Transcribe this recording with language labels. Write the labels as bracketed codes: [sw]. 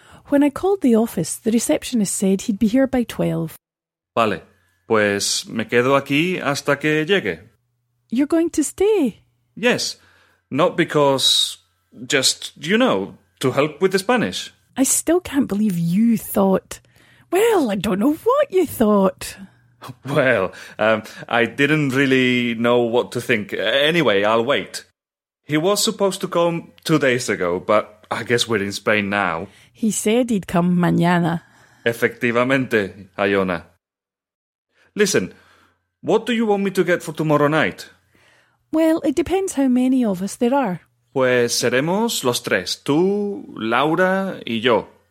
[en] When I called the office, the receptionist said he'd be here by 12. [es] Vale, pues me quedo aquí hasta que llegue. [en] You're going to stay? Yes, not because... just, you know, to help with the Spanish. I still can't believe you thought... well, I don't know what you thought. Well, I didn't really know what to think. Anyway, I'll wait. He was supposed to come 2 days ago, but I guess we're in Spain now. He said he'd come mañana. [es] Efectivamente, Ayona. [en] Listen, what do you want me to get for tomorrow night? Well, it depends how many of us there are. [es] Pues seremos los tres, tú, Laura y yo.